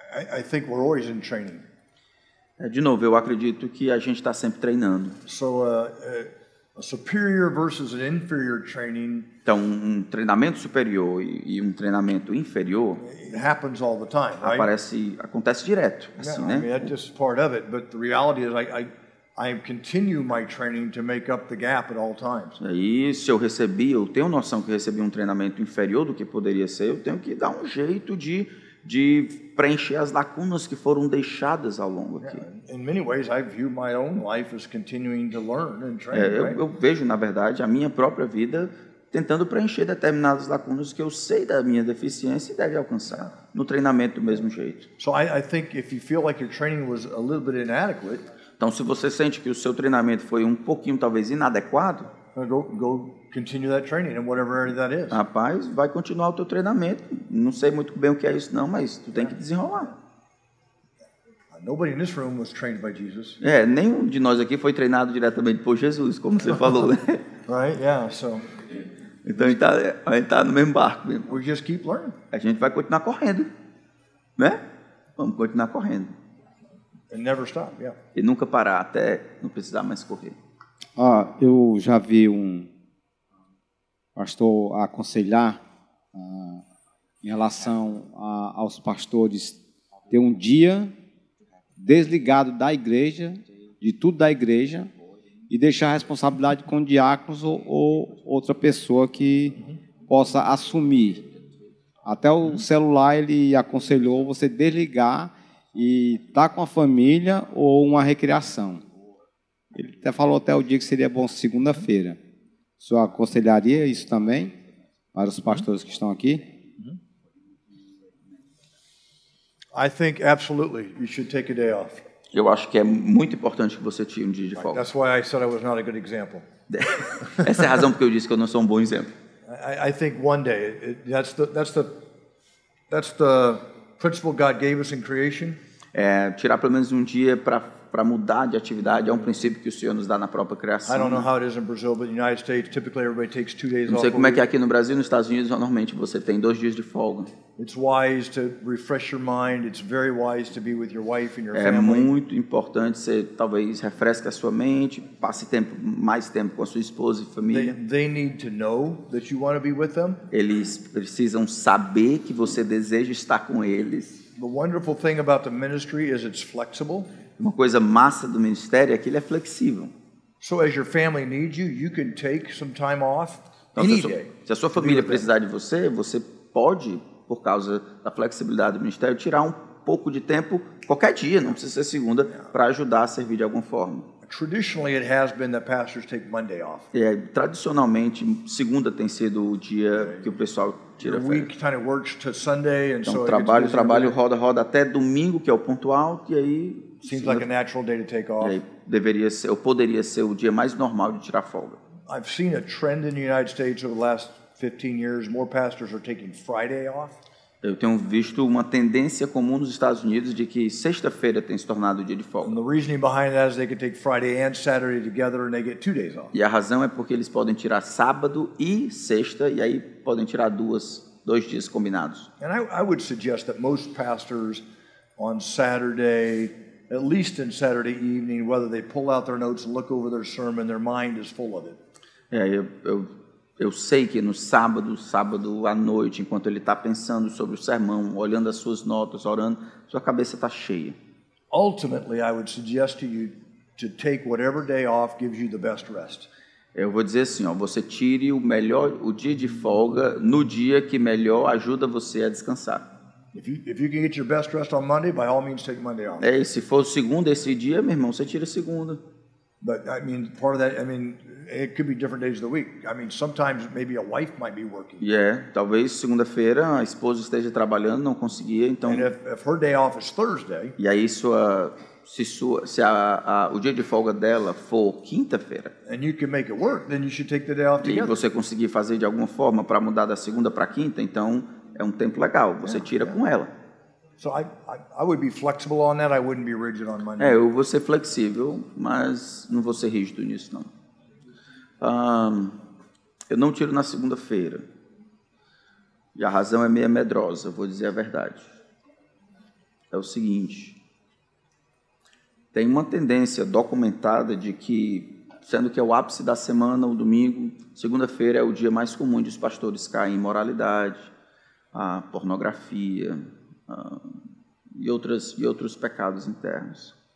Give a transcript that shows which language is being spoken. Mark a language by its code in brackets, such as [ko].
[en] I think we're always in training. [pt] De novo, eu acredito que a gente está sempre treinando. [en] So, a superior versus an inferior training. [pt] Então, um treinamento superior e um treinamento inferior. [en] It happens all the time, right? [pt] Acontece direto, assim, yeah, né? [en] I mean, that's just part of it, but the reality is I continue my training to make up the gap at all times. [pt] E se eu recebi, eu tenho noção que recebi um treinamento inferior do que poderia ser, eu tenho que dar um jeito de preencher as lacunas que foram deixadas ao longo aqui. [en] In many ways, I view my own life as continuing to learn and train. [pt] Eu vejo, na verdade, a minha própria vida tentando preencher determinadas lacunas que eu sei da minha deficiência e deve alcançar no treinamento do mesmo jeito. [en] So I think if you feel like your training was a little bit inadequate. [pt] Então, se você sente que o seu treinamento foi um pouquinho talvez inadequado, [en] go continue that training in whatever area that is. [pt] Rapaz, vai continuar o teu treinamento. Não sei muito bem o que é isso não, mas tu tem que desenrolar. [en] Nobody in this room was trained by Jesus. [pt] Nenhum de nós aqui foi treinado diretamente por Jesus, como você falou, né? [en] Right? Yeah, so. [pt] Então a gente tá no mesmo barco mesmo. [en] We just keep learning. [pt] A gente vai continuar correndo. Né? Vamos continuar correndo. [en] And never stop, yeah. [pt] E nunca parar até não precisar mais correr. Eu já vi um pastor a aconselhar em relação aos pastores ter um dia desligado da igreja, de tudo da igreja, e deixar a responsabilidade com diáconos ou outra pessoa que possa assumir. Até o celular ele aconselhou você desligar e estar com a família ou uma recreação. Ele até falou até o dia que seria bom segunda-feira. O senhor aconselharia isso também para os pastores que estão aqui? [en] I think absolutely you should take a day off. [pt] Eu acho que é muito importante que você tire um dia de folga. [en] That's why I said I was not a good example. [pt] Essa é a razão porque eu disse que eu não sou um bom exemplo. [en] I think one day that's the principle God gave us in creation. [pt] Tirar pelo menos um dia para mudar de atividade é um princípio que o Senhor nos dá na própria criação. [en] I don't know how it is in Brazil, but in the United States typically everybody takes 2 days off. [pt] Não sei como é que é aqui no Brasil, nos Estados Unidos normalmente você tem 2 dias de folga. [en] It's wise to refresh your mind. It's very wise to be with your wife and your family. [pt] É muito importante você talvez refresque a sua mente, passe mais tempo com a sua esposa e família. [en] They need to know that you want to be with them. [pt] Eles precisam saber que você deseja estar com eles. [en] The wonderful thing about the ministry is it's flexible. [pt] Uma coisa massa do ministério é que ele é flexível. [en] So as your family needs you, you can take some time off any day. [pt] Se a sua família precisar de você, você pode, por causa da flexibilidade do ministério, tirar um pouco de tempo qualquer dia, não precisa ser segunda, para ajudar a servir de alguma forma. [en] Traditionally it has been that pastors take Monday off. [pt] Tradicionalmente segunda tem sido o dia que o pessoal tira férias. [en] Week kind of works to Sunday, and [pt] então, so trabalho roda até domingo, que é o ponto alto, e aí [en] seems like a natural day to take off. [pt] Deveria ser, ou poderia ser o dia mais normal de tirar folga. [en] I've seen a trend in the United States over the last 15 years, more pastors are taking Friday off. [pt] Eu tenho visto uma tendência comum nos Estados Unidos de que sexta-feira tem se tornado o dia de folga. [en] And the reasoning behind that is they can take Friday and Saturday together and they get 2 days off. [pt] E a razão é porque eles podem tirar sábado e sexta e aí podem tirar dois dias combinados. [en] And I would suggest that most pastors on Saturday, at least in Saturday evening, whether they pull out their notes and look over their sermon, their mind is full of it. [pt] Eu sei que no sábado à noite, enquanto ele está pensando sobre o sermão, olhando as suas notas, orando, sua cabeça está cheia. [en] Ultimately, I would suggest to you to take whatever day off gives you the best rest. [pt] Eu vou dizer assim, ó, você tire o dia de folga no dia que melhor ajuda você a descansar. [en] If you can get your best rest on Monday, by all means take Monday off. [pt] Se for segunda esse dia, meu irmão, você tira segunda. [en] But I mean, part of that, I mean, it could be different days of the week. I mean, sometimes maybe a wife might be working. [pt] Yeah, talvez segunda-feira a esposa esteja trabalhando, não conseguia, então. [en] And if her day off is Thursday. [pt] E aí o dia de folga dela for quinta-feira. [en] And you can make it work, then you should take the day off together. [pt] E você conseguir fazer de alguma forma para mudar da segunda para quinta, então é um tempo legal, você tira com ela. [en] So I would be flexible on that. I wouldn't be rigid on Monday. [pt] Eu vou ser flexível, mas não vou ser rígido nisso, não. Eu não tiro na segunda-feira. E a razão é meio medrosa, vou dizer a verdade. É o seguinte. Tem uma tendência documentada de que, sendo que é o ápice da semana, o domingo, segunda-feira é o dia mais comum de os pastores caem em imoralidade, a pornografia, e outros pecados internos.